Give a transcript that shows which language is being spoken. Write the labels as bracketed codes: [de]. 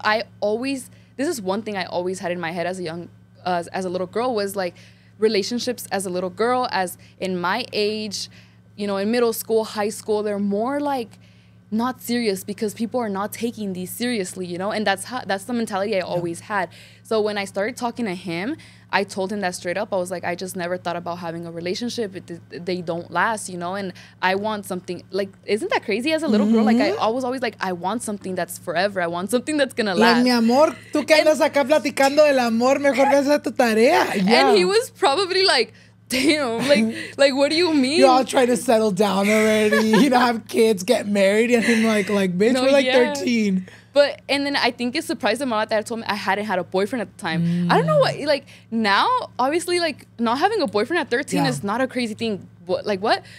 [en] This is one thing I always had in my head as a young, as a little girl, was like relationships as a little girl, as in my age, you know, in middle school, high school, they're more like not serious because people are not taking these seriously, you know? And that's the mentality I always had. So when I started talking to him, I told him that straight up. I was like, I just never thought about having a relationship. They don't last, you know? And I want something, like, isn't that crazy as a little girl? Like, I was always like, I want something that's forever. I want something that's going to last. [es] Mi amor, tú que andas acá platicando del amor, mejor que haces tu tarea. [en] Yeah. And he was probably like, damn, like, what do you mean? You're all trying to settle down already, you know, have kids, get married, and I'm like, bitch, we're like 13. But, and then I think it surprised him a lot that I told him I hadn't had a boyfriend at the time. Mm. I don't know what, like, now, obviously, like, not having a boyfriend at 13 is not a crazy thing. What, like, what?